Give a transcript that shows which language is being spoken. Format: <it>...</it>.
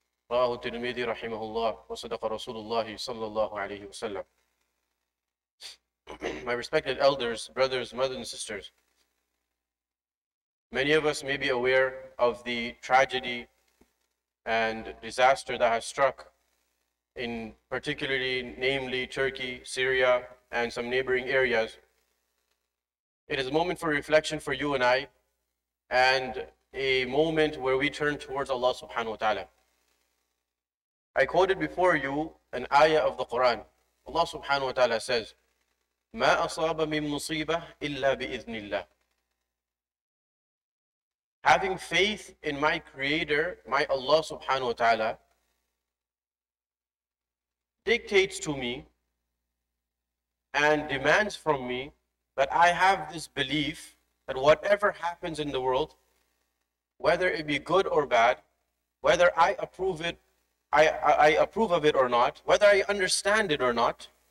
<ar>رواه الترمذي رحمه الله، وصدق رسول الله صلى الله عليه وسلم.</ar> <en>My respected elders, brothers, mothers and sisters, many of us may be aware of the tragedy and disaster that has struck in particularly, namely, Turkey, Syria, and some neighboring areas. It is a moment for reflection for you and I, and a moment where we turn towards Allah subhanahu wa ta'ala. I quoted before you an ayah of the Quran. Allah subhanahu wa ta'ala says,</en> <ar>مَا أَصَابَ مِن مُصِيبَةٍ إِلَّا بِإِذْنِ اللَّهِ.</ar> <en>Having faith in my Creator, my Allah subhanahu wa ta'ala, dictates to me and demands from me that I have this belief that whatever happens in the world, whether it be good or bad, whether I approve it, I approve of it or not, whether I understand it or not,</en>